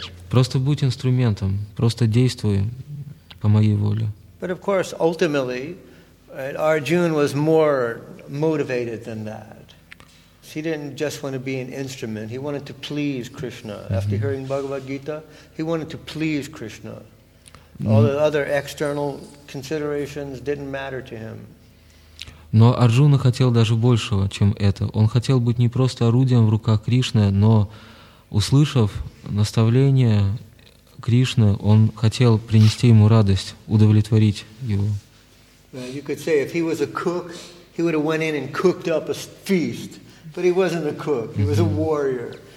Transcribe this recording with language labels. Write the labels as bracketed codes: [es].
[ru] Просто будь инструментом, просто действуй по моей воле. [en] But of course, ultimately, Arjuna was more motivated than that. He didn't just want to be an instrument. He wanted to please Krishna. After hearing Bhagavad Gita, he wanted to please Krishna. All the other external considerations didn't matter to him. [ru] Но Арджуна хотел даже большего, чем это. Он хотел быть не просто орудием в руках Кришны, но, услышав наставление Кришны, он хотел принести ему радость, удовлетворить его. [en] You could say, if he was a cook, he would have went in and cooked up a feast. But he wasn't a cook, he was a warrior.